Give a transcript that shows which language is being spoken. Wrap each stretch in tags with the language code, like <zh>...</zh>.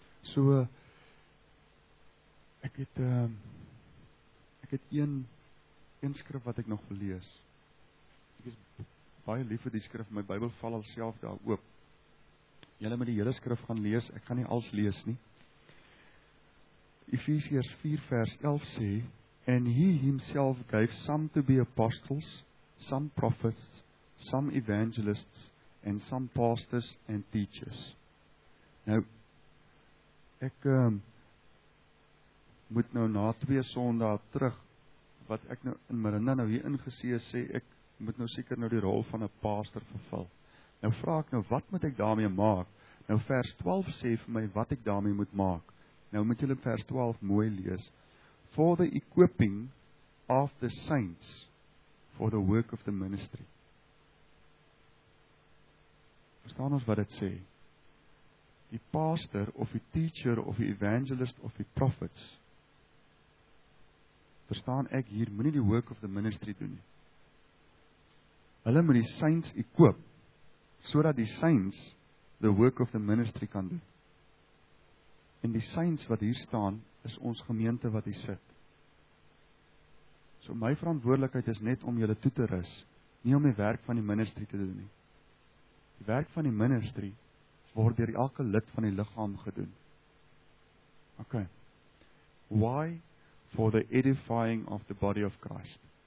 <af>So ek het een skrif wat ek nog wil lees. Ek is baie lief vir die skrif, my Bybel val alself daar oop. Julle moet die hele skrif gaan lees, ek gaan nie alles lees nie. Efesiërs 4 vers 11 sê,</af> <en>and he himself gave some to be apostles, some prophets, some evangelists, and some pastors and teachers.</en> <af>Nou, ek moet nou na 2 Sondae terug, wat ek nou in Marinda nou hier ingesê is, sê ek moet nou seker nou die rol van 'n pastor vervul. Nou vra ek nou, wat moet ek daarmee maak? Nou vers 12 sê vir my wat ek daarmee moet maak. Nou moet julle vers 12 mooi lees.</af> <en>For the equipping of the saints for the work of the ministry.</en> <af>Verstaan ons wat dit sê? Die pastor of die teacher of die evangelist of die prophets. Verstaan ek hier, moenie die</af> <en>work of the ministry</en> <af>doen nie. Hulle moet die saints equip, sodat die saints</af> <en>the work of the ministry</en> <af>kan doen. En die saints wat hier staan, is ons gemeente wat hier sit. So my verantwoordelikheid is net om julle toe te rus, nie om die werk van die ministry te doen nie. Die werk van die ministry word deur elke lid van die liggaam gedoen.</af> <en>OK. Why? For the edifying of the body of Christ.</en>